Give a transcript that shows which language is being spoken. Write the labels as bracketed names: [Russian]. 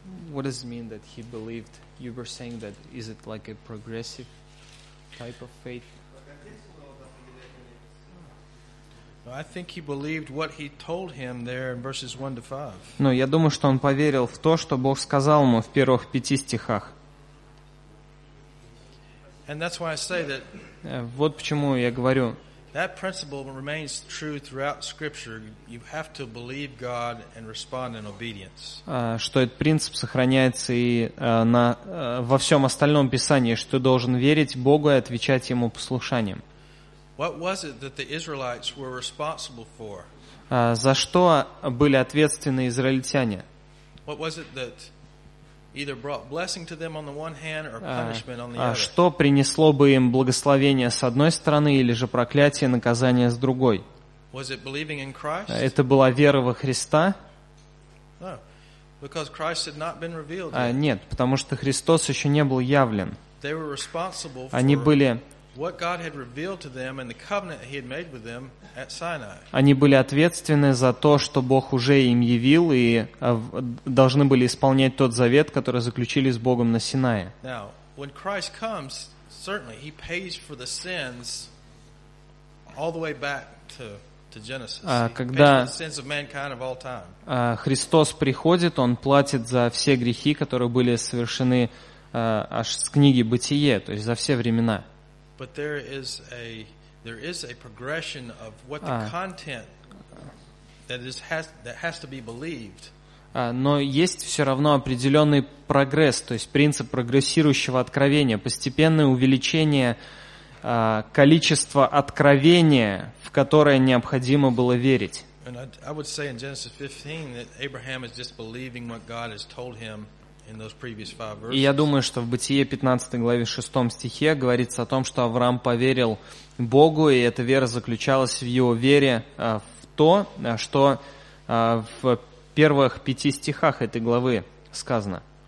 [English] What does it mean that he believed? You were saying that, is it like a progressive type of faith? I think he believed what he told him there in verses 1 to 5. [Russian] Но я думаю, что он поверил в то, что Бог сказал ему в первых пяти стихах. [English] And that's why I say that. [Russian] Вот почему я говорю. [English] That principle remains true throughout Scripture. You have to believe God and respond in obedience. [Russian] Что этот принцип сохраняется и на во всем остальном Писании, что ты должен верить Богу и отвечать Ему послушанием. [English] What was it that the Israelites were responsible for? [Russian] За что были ответственны израильтяне? [English] What was it that either brought blessing to them on the one hand or punishment on the other? [Russian] Что принесло бы им благословение с одной стороны или же проклятие, наказание с другой? [English] Was it believing in Christ? [Russian] Это была вера во Христа? [English] No, because Christ had not been revealed. [Russian] Нет, потому что Христос еще не был явлен. [English] They were responsible for. [Russian] Они были. [English] What God had revealed to them and the covenant He had made with them at Sinai. [Russian] Они были ответственны за то, что Бог уже им явил, и должны были исполнять тот завет, который заключили с Богом на Синае. [English] Now, when Christ comes, certainly He pays for the sins all the way back to Genesis. [Russian] Когда [English] sins of mankind of all time. [Russian] Христос приходит, Он платит за все грехи, которые были совершены аж с книги Бытие, то есть за все времена. [English] But there is a progression of what the content that has to be believed. [Russian] Но есть все равно определенный прогресс, то есть принцип прогрессирующего откровения, постепенное увеличение количества откровения, в которое необходимо было верить. [English] And I would say in Genesis 15 that Abraham is just believing what God has told him. In those previous five verses. [Russian] И я думаю, что в Бытие 15 главе 6 стихе говорится о том, что Авраам поверил Богу, и эта вера заключалась в его вере в то, что в первых пяти стихах этой главы сказано.